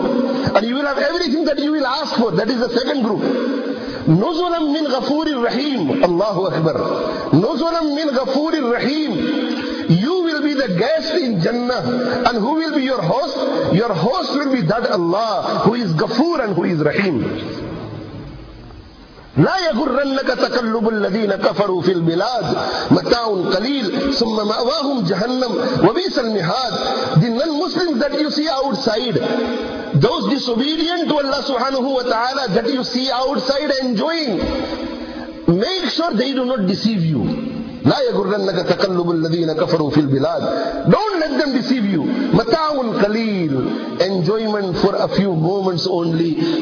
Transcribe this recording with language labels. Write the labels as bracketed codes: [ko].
[en] And you will have everything that you will ask for. That is the second group. [ar] نُزُلًا مِنْ غَفُورِ الرَّحِيمِ. الله أكبر. نُزُلًا مِنْ غَفُورِ الرَّحِيمِ. [en] You will be the guest in Jannah. And who will be your host? Your host will be that Allah who is Ghafoor and who is Rahim. [ar] لا يغرنك تقلب الذين كفروا في البلاد متاع قليل ثم مأواهم جهنم وبئس المهاد. [en] The non-Muslims that you see outside, those disobedient to Allah subhanahu wa ta'ala that you see outside enjoying, make sure they do not deceive you. [ar] لا يغرنك تقلب الذين كفروا في البلاد. [en] Don't let them deceive qaleel, enjoyment for a few moments only.